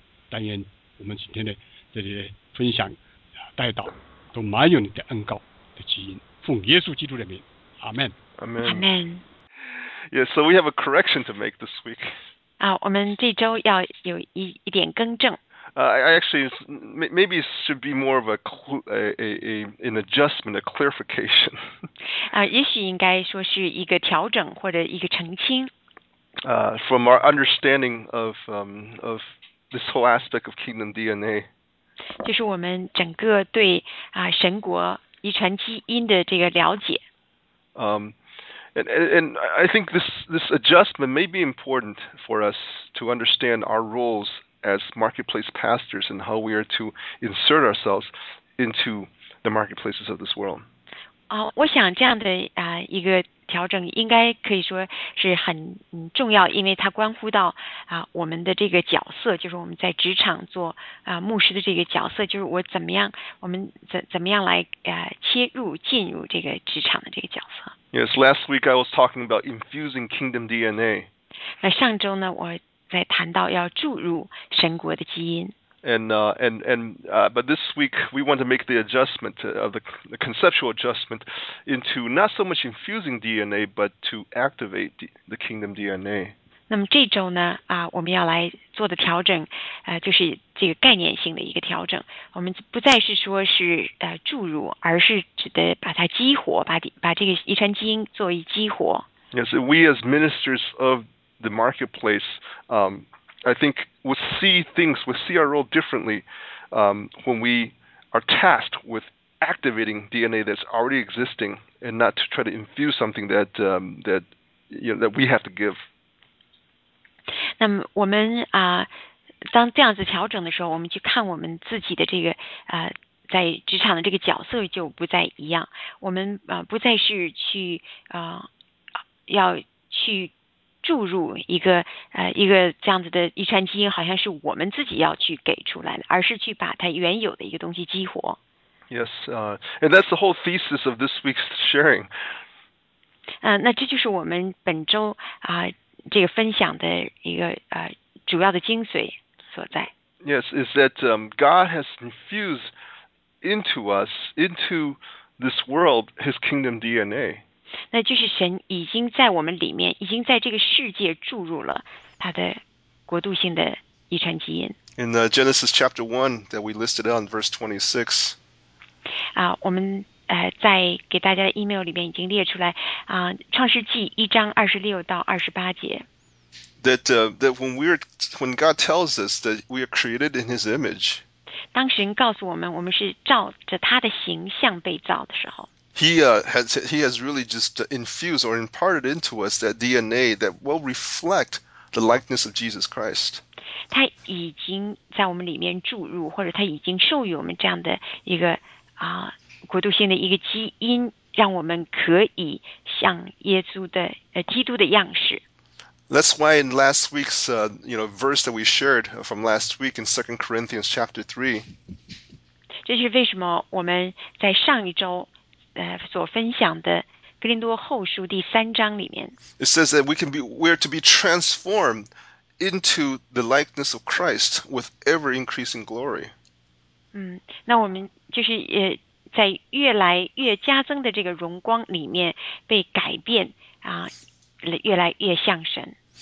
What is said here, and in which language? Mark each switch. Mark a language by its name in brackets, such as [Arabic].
[Chinese] 但愿我们今天的这些分享带到都满有你的恩膏的基因，奉耶稣基督的名，阿门，阿门，阿门。 [English] Yes, so we have a correction to make this week. [Chinese] 我们这周要有一点更正。 [English] Maybe it should be more of a clue, an adjustment, a clarification. [Chinese] 也许应该说是一个调整或者一个澄清。 [English] From our understanding of this whole aspect of kingdom DNA. [Chinese] 就是我们整个对神国遗传基因的这个了解。 [English] And I think this adjustment may be important for us to understand our roles as marketplace pastors and how we are to insert ourselves into the marketplaces of this world. [Chinese] 我想这样的一个调整应该可以说是很重要，因为它关乎到我们的这个角色，就是我们在职场做牧师的这个角色，就是我们怎么样来切入进入这个职场的这个角色。 [English] Yes, last week I was talking about infusing kingdom DNA. [Chinese] 那上周呢，我在谈到要注入神国的基因。 [English] But this week we want to make the adjustment of the conceptual adjustment into not so much infusing DNA, but to activate the kingdom DNA. [Chinese] 那么这周呢，我们要来做的调整，就是这个概念性的一个调整。我们不再是说是注入，而是指的把它激活，把这个遗传基因作为激活。 [English] Yes, we as ministers of the marketplace, I think we see things, we see our role differently, when we are tasked with activating DNA that's already existing, and not to try to infuse something that we have to give. [Chinese] 那么我们当这样子调整的时候，我们去看我们自己的这个在职场的这个角色就不再一样。我们不再是去要去注入一个这样子的遗传基因，好像是我们自己要去给出来的，而是去把它原有的一个东西激活。 [English] Yes, and that's the whole thesis of this week's sharing. [Chinese] 那这就是我们本周这个分享的一个主要的精髓所在。 [English] Yes, is that God has infused into us, into this world, His kingdom DNA. [Chinese] 那就是神已经在我们里面，已经在这个世界注入了他的国度性的遗传基因。 [English] In Genesis chapter 1 that we listed out in verse 26. [Chinese] 我们在给大家的 email 里面已经列出来创世纪1:26-28。 [English] That when God tells us that we are created in His image, [Chinese] 当神告诉我们，我们是照着他的形象被造的时候。 [English] He has really just infused or imparted into us that DNA that will reflect the likeness of Jesus Christ. [Chinese] 他已经在我们里面注入，或者他已经授予我们这样的一个国度性的一个基因，让我们可以像耶稣的基督的样式。 [English] That's why in last week's verse that we shared from last week in 2 Corinthians chapter 3. [Chinese] 这是为什么我们在上一周所分享的《哥林多后书》第三章里面。 [English] It says that we are to be transformed into the likeness of Christ with ever increasing glory. [Chinese] 那我们就是在越来越加增的这个荣光里面被改变越来越像神。